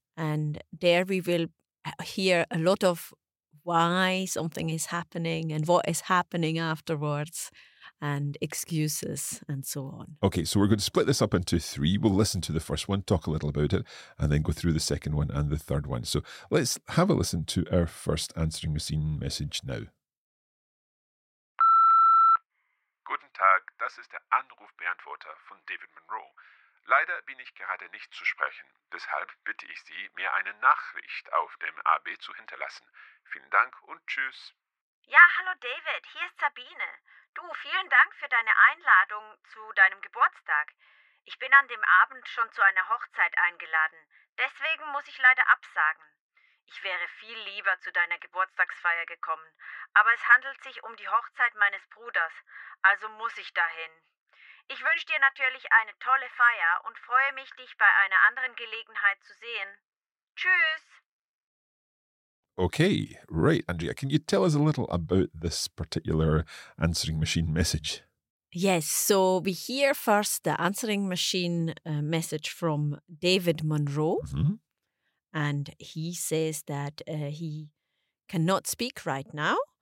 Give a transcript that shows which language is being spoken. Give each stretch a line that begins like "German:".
English: And there we will hear a lot of why something is happening and what is happening afterwards and excuses and so on. Okay, so we're going to split this up into three. We'll listen to the first one, talk a little about it, and then go through the second one and the third one. So let's have a listen to our first answering machine message now.
German: Das ist der Anrufbeantworter von David Monroe. Leider bin ich gerade nicht zu sprechen. Deshalb bitte ich Sie, mir eine Nachricht auf dem AB zu hinterlassen. Vielen Dank und tschüss. Ja, hallo David, hier ist Sabine. Du, vielen Dank für deine Einladung zu deinem Geburtstag. Ich bin an dem Abend schon zu einer Hochzeit eingeladen. Deswegen muss ich leider absagen. Ich wäre viel lieber zu deiner Geburtstagsfeier gekommen, aber es handelt sich um die Hochzeit meines Bruders, also muss ich dahin. Ich wünsche dir natürlich eine tolle Feier und freue mich, dich bei einer anderen Gelegenheit zu sehen. Tschüss!
English: Okay, right, Andrea, can you tell us a little about this particular answering machine message? Yes, so we hear first the answering machine message from David Monroe. Mm-hmm. And he says that he cannot speak right now.